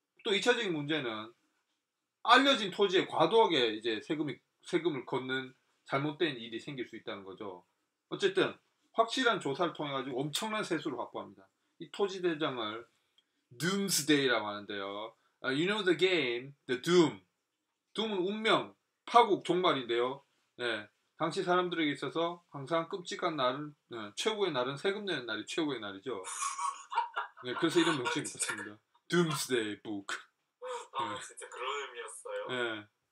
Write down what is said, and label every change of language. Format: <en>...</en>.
<ko>또 2차적인 문제는 알려진 토지에 과도하게 이제 세금을 걷는 잘못된 일이 생길 수 있다는 거죠. 어쨌든 확실한 조사를 통해 가지고 엄청난 세수를 확보합니다. 이 토지 대장을 Doomsday라고 하는데요.</ko> <en>You know the game, the Doom.</en> <ko>Doom은 운명, 파국, 종말인데요. 예. 당시 사람들에게 있어서 항상 끔찍한 날은 네, 최고의 날은 세금 내는 날이 최고의 날이죠. 네, 그래서 이런 명칭이 붙습니다. Doomsday Book. 아 네. 진짜 그런 의미였어요. 네.</ko>